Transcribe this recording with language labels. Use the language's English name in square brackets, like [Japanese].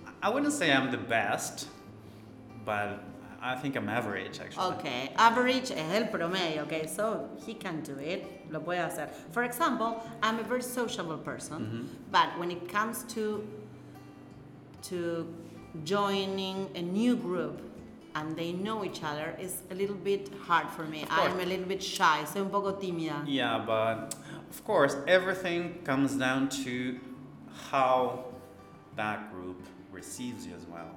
[English] I wouldn't say I'm the best, but I think I'm average, actually. [Spanish] Okay, average es el promedio, okay, [English] so he can do it, [Spanish] lo puede hacer. [English] For example, I'm a very sociable person, but when it comes to joining a new group and they know each other, it's a little bit hard for me. I'm a little bit shy, [Spanish] soy un poco tímida. [English] Yeah, but of course, everything comes down to how that group receives you as well.